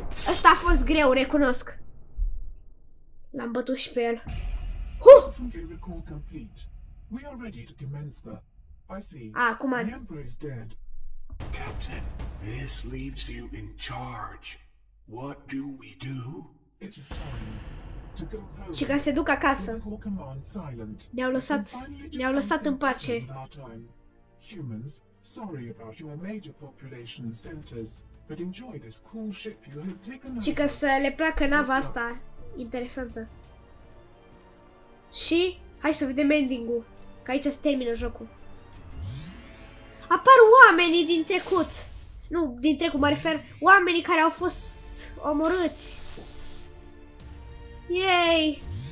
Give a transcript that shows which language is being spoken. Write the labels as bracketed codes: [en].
[ro] Ăsta a fost greu, recunosc. L-am bătut și pe el. [en] We are ready to commence the... I see. Ah, come on. The Emperor is dead. Captain, this leaves you in charge. What do we do? It is time to go home. [ro] Și ca se duc acasă. Ne-au lăsat în pace. [en] Humans, sorry about your major population centers, but enjoy this cool ship you have taken over. [ro] Și ca să le placă nava asta. Interesantă. Și... Hai să vedem ending-ul, că aici se termină jocul. Apar oamenii din trecut. Nu, din trecut, mă refer, oamenii care au fost omorâți. Yay!